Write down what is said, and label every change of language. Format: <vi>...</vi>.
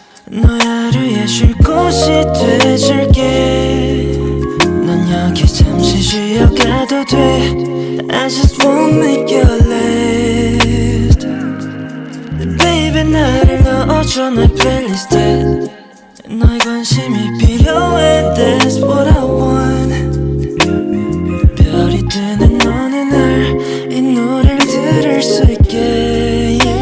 <ko>너의 하루에 쉴 곳이 돼줄게. 넌 여기 잠시 쉬어가도 돼.</ko> <en>I just won't make you late.</en> <ko>Baby 나를 넣어줘 내 playlist에. 너의 관심이 필요해.</ko> <en>That's what I want.</en> <ko>별이 뜨는 어느 날 이 노래를 들을 수 있게.</ko>